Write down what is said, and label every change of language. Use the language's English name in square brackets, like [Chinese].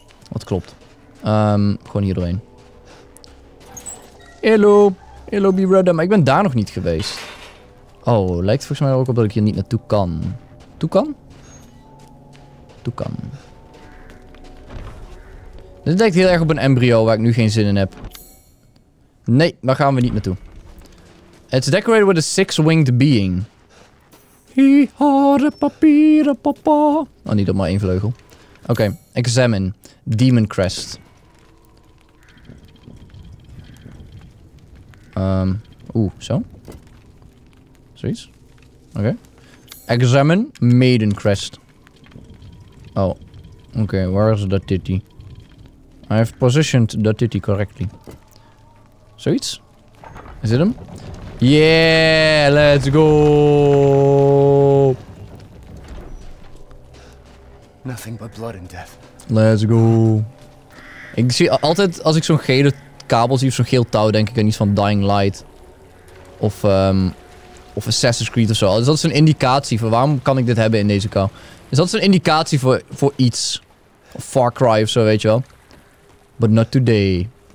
[Dutch] Wat klopt. Gewoon hier doorheen. Hello. Hello, B-Rudder. Maar ik ben daar nog niet geweest. Oh, lijkt volgens mij ook op dat ik hier niet naartoe kan. Toe kan. Dit lijkt heel erg op een embryo waar ik nu geen zin in heb. Nee, daar gaan we niet naartoe. [English] It's decorated with a six-winged being. Hi-hare papieren papa. [Dutch] Oh, niet op maar één vleugel. Oké, examine. Demon crest. Zo. Zoiets. Oké. Examine. Maiden crest. Oh. [English] Oké, where is the titty? I have positioned the titty correctly. [Dutch] Zoiets. Is dit hem? [English] Yeah, let's go. Nothing but blood and death. Let's go. [Dutch] Ik zie altijd als ik zo'n gele kabel zie of zo'n geel touw, denk ik aan iets van Dying Light. Of Assassin's Creed of zo. Dus dat is een indicatie voor waarom kan ik dit hebben in deze kou. Dus dat is een indicatie voor iets. Of Far Cry of zo, weet je wel. [English] But not today.